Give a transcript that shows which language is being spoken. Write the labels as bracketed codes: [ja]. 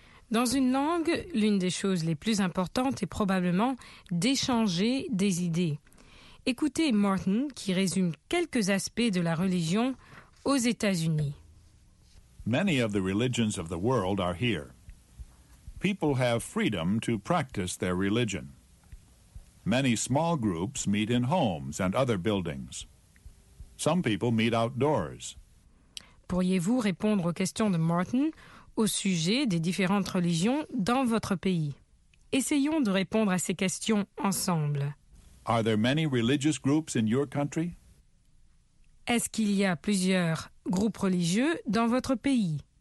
[fr] Dans une langue, l'une des choses les plus importantes est probablement d'échanger des idées. Écoutez Martin qui résume quelques aspects de la religion aux États-Unis. [en] Many of the religions of the world are here. People have freedom to practice their religion. Many small groups meet in homes and other buildings. Some people meet outdoors. [fr] Pourriez-vous répondre aux questions de Martin au sujet des différentes religions dans votre pays? Essayons de répondre à ces questions ensemble. [en] Are there many religious groups in your country? [fr] Est-ce qu'il y a plusieurs groupes religieux dans votre pays?